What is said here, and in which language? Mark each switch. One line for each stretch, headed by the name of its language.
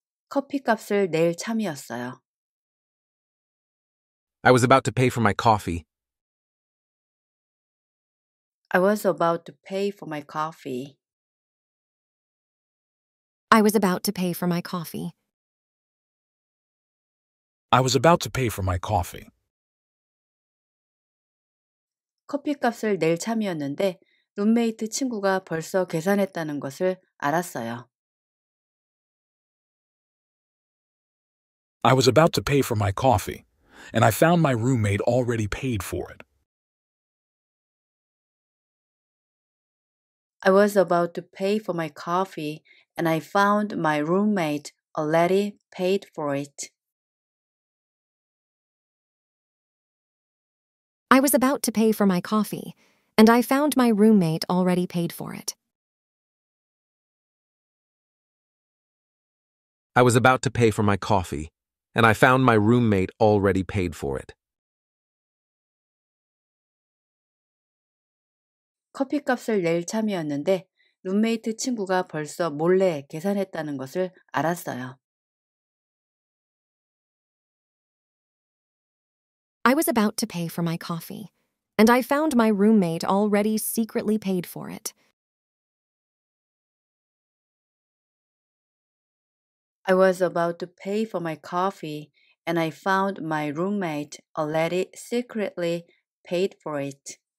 Korean: 커피값을 낼 참이었어요.
English: I was about to pay for my coffee. I was about to pay for my coffee. I was about to pay for my coffee. I was about to pay for my coffee.
Korean: 커피값을 낼 참이었는데 룸메이트 친구가 벌써 계산했다는 것을 알았어요.
English: I was about to pay for my coffee, and I found my roommate already paid for it. I was about to pay for my coffee, and I found my roommate already paid for it. I was about to pay for my coffee, and I found my roommate already paid for it. I was about to pay for my coffee, and I found my roommate already paid for it.
Korean: 커피값을 낼 참이었는데 룸메이트 친구가 벌써 몰래 계산했다는 것을 알았어요.
English: I was about to pay for my coffee, and I found my roommate already secretly paid for it. I was about to pay for my coffee, and I found my roommate already secretly paid for it.